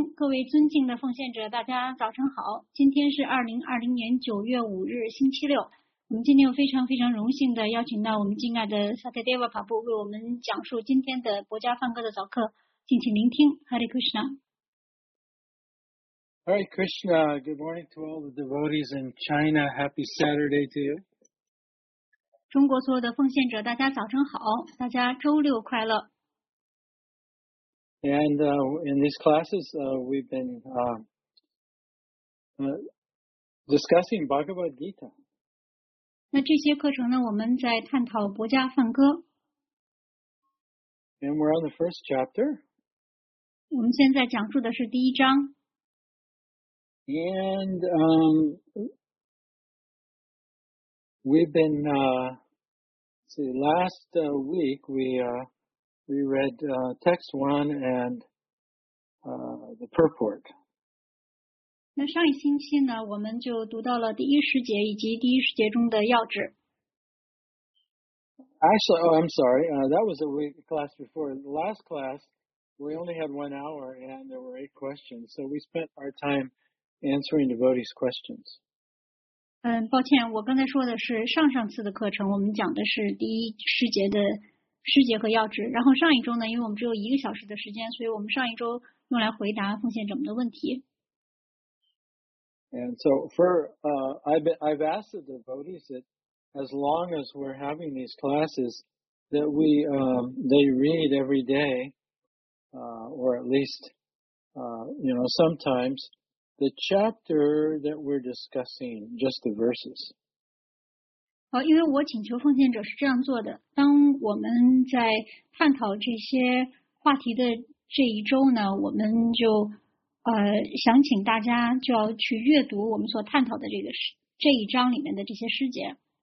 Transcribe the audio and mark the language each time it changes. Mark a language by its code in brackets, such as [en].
[zh] 各位尊敬的奉献者，大家早晨好。今天是2020年9月5日，星期六。我们今天非常非常荣幸的邀请到我们敬爱的萨提德瓦法布为我们讲述今天的博家梵歌的早课，敬请聆听。 [sa] Hare Krishna。 Hare Krishna. [en] Good morning to all the devotees in China. Happy Saturday to you. [zh] 中国所有的奉献者，大家早晨好，大家周六快乐。 [en] And in these classes, we've been discussing Bhagavad Gita. [zh] 那这些课程呢，我们在探讨博迦梵歌。 [en] And we're on the first chapter. [zh] 我们现在讲述的是第一章。 [en] And we've been, last week we read text 1 and the purport. [zh] 那上一星期呢，我们就读到了第一十节以及第一十节中的要旨。 [en] Actually, oh, I'm sorry. That was a week class before. The last class, we only had 1 hour and there were 8 questions. So we spent our time answering devotees' questions. [zh] 抱歉，我刚才说的是上上次的课程，我们讲的是第一十节的师节和要旨。然后上一周呢，因为我们只有一个小时的时间，所以我们上一周用来回答奉献者们的问题。 [en] And so for I've asked the devotees that as long as we're having these classes that we they read every day, or at least sometimes the chapter that we're discussing, just the verses. [zh] 因为我请求奉献者是这样做的，当我们在探讨这些话题的这一周呢，我们就想请大家就要去阅读我们所探讨的这一章里面的这些诗节。